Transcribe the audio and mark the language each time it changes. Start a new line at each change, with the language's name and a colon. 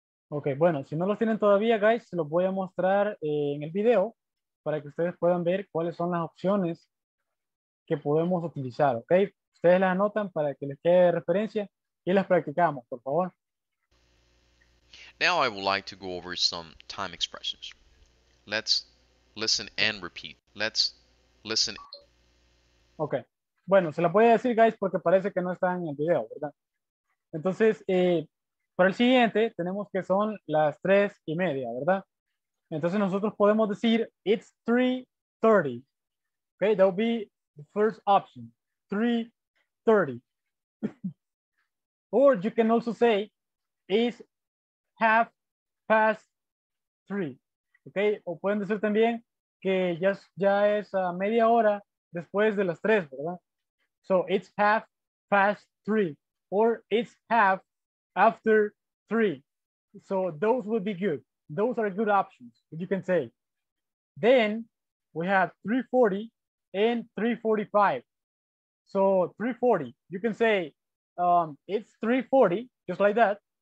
Spanish: Ok, bueno, si no los tienen todavía, guys, se los voy a mostrar en el video para que ustedes puedan ver cuáles son las opciones que podemos utilizar, ok. Ustedes las anotan para que les quede de referencia y las practicamos, por favor.
English: Now I would like to go over some time expressions. Let's listen and repeat. Let's listen.
Spanish: Ok, bueno, se las voy a decir, guys, porque parece que no están en el video, ¿verdad? Entonces, para el siguiente, tenemos que son las 3:30, ¿verdad? Entonces nosotros podemos decir,
English: it's 3:30. Okay, that would be the first option. 3:30. Or you can also say, it's half past three.
Spanish: Okay, o pueden decir también que ya es a media hora después de las tres, ¿verdad?
English: So it's half past three or it's half after three. So those would be good. Those are good options, you can say. Then we have 3:40 and 3:45. So 3:40, you can say it's 3:40, just like that.